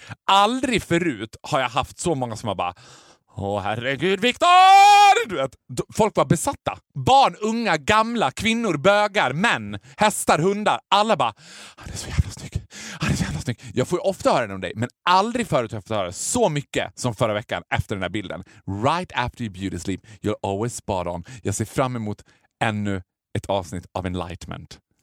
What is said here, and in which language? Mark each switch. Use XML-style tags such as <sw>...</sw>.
<sv>Aldrig förut har jag haft så många som har bara, åh herregud Victor! Du vet, folk var besatta. Barn, unga, gamla, kvinnor, bögar, män, hästar, hundar. Alla bara, han är så jävla snygg. Han är så jävla snygg. Jag får ju ofta höra den om dig, men aldrig förut har jag fått höra så mycket som förra veckan efter den här bilden.</sv> <en>Right after your beauty sleep, you're always spot on.</en> <sv>Jag ser fram emot ännu ett avsnitt av Enlightenment.</sv>